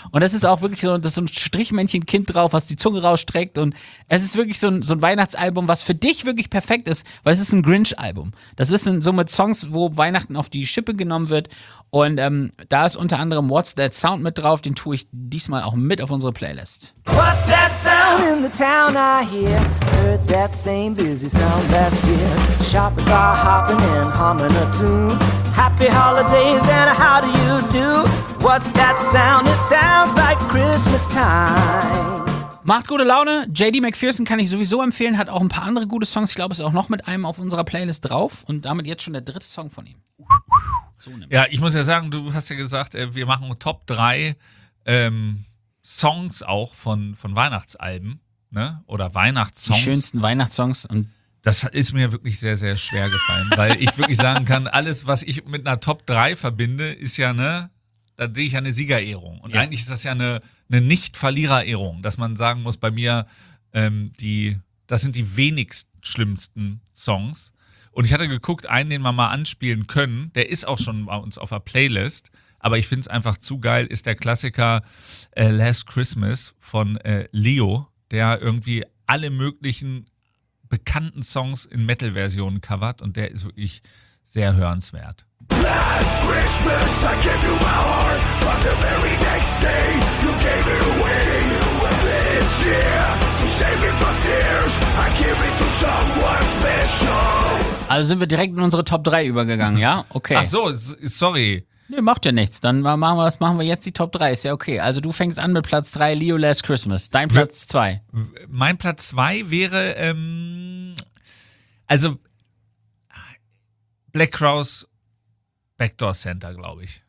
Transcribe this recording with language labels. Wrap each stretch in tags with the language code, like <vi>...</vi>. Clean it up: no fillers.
<de>Und das ist auch wirklich so, das ist so ein Strichmännchen-Kind drauf, was die Zunge rausstreckt. Und es ist wirklich so ein Weihnachtsalbum, was für dich wirklich perfekt ist, weil es ist ein Grinch-Album. Das ist so mit Songs, wo Weihnachten auf die Schippe genommen wird. Und da ist unter anderem What's That Sound mit drauf. Den tue ich diesmal auch mit auf unsere Playlist.</de> <en>What's that sound in the town I hear? Heard that same busy sound last year. Shoppers are hopping and humming a tune. Happy holidays and how do? What's that sound? It sounds like Christmas time.</en> <de>Macht gute Laune. JD McPherson kann ich sowieso empfehlen. Hat auch ein paar andere gute Songs. Ich glaube, ist auch noch mit einem auf unserer Playlist drauf. Und damit jetzt schon der dritte Song von ihm. So, ja, ich muss ja sagen, du hast ja gesagt, wir machen Top 3 Songs auch von Weihnachtsalben, ne? Oder Weihnachtssongs. Die schönsten Weihnachtssongs. Und das ist mir wirklich sehr, sehr schwer gefallen, weil ich wirklich sagen kann, alles, was ich mit einer Top 3 verbinde, ist ja, ne, da sehe ich ja eine Siegerehrung. Und Eigentlich ist das ja eine Nicht-Verlierer-Ehrung, dass man sagen muss, bei mir, das sind die wenigst schlimmsten Songs. Und ich hatte geguckt, einen, den wir mal anspielen können, der ist auch schon bei uns auf der Playlist, aber ich finde es einfach zu geil, ist der Klassiker Last Christmas von Leo, der irgendwie alle möglichen bekannten Songs in Metal-Versionen covert und der ist wirklich sehr hörenswert.</de> <en>Last Christmas I gave you my heart, but the very next day you gave it away. This year to save me from tears, I give it to someone special.</en> <de>Also sind wir direkt in unsere Top 3 übergegangen, ja? Okay. Ach so, sorry. Nee, macht ja nichts. Dann machen wir, was machen wir jetzt? Die Top 3 ist ja okay. Also du fängst an mit Platz 3, Leo Last Christmas. Dein Platz 2. Mein Platz 2 wäre, also Black Crowes Backdoor Santa, glaube ich.</de>